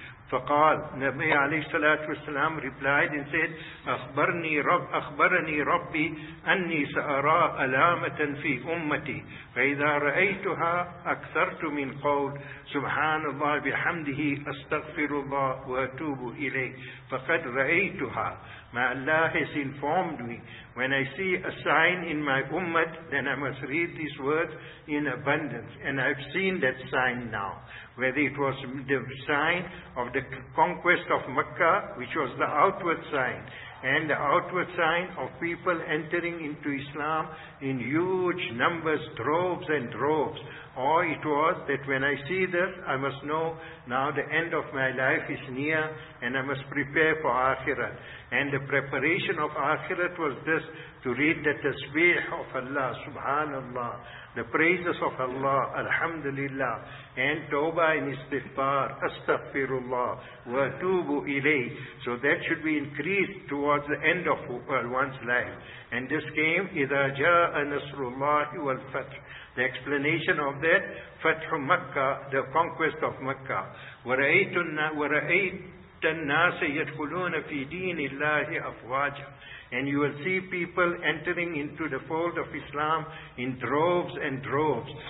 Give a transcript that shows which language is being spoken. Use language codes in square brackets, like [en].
[ar] فقال نبي عليه الصلاة والسلام [en] replied and said, [ar] أخبرني ربي أني سأرى علامة في أمتي فإذا رأيتها أكثرت من قول سبحان الله بحمده أستغفر الله وأتوب إليه فقد رأيتها. [en] My Allah has informed me, when I see a sign in my ummah, then I must read these words in abundance. And I've seen that sign now. Whether it was the sign of the conquest of Makkah, which was the outward sign, and the outward sign of people entering into Islam in huge numbers, droves and droves. Or it was that when I see this, I must know now the end of my life is near and I must prepare for Akhirat. And the preparation of Akhirat was this, to read the tasbih of Allah, Subhanallah, the praises of Allah, Alhamdulillah, and Tawbah and Istighfar, Astaghfirullah, wa Tubu Ilayh. So that should be increased towards the end of one's life. And this came, [ar] إِذَا جَاءَ نَصْرُ اللَّهِ وَالْفَتْحِ. [en] The explanation of that, Fathu Makkah, the conquest of Makkah. [ar] وَرَأَيْتَ النَّاسَ يَدْخُلُونَ فِي دِينِ اللَّهِ أَفْوَاجًا. [en] And you will see people entering into the fold of Islam in droves and droves.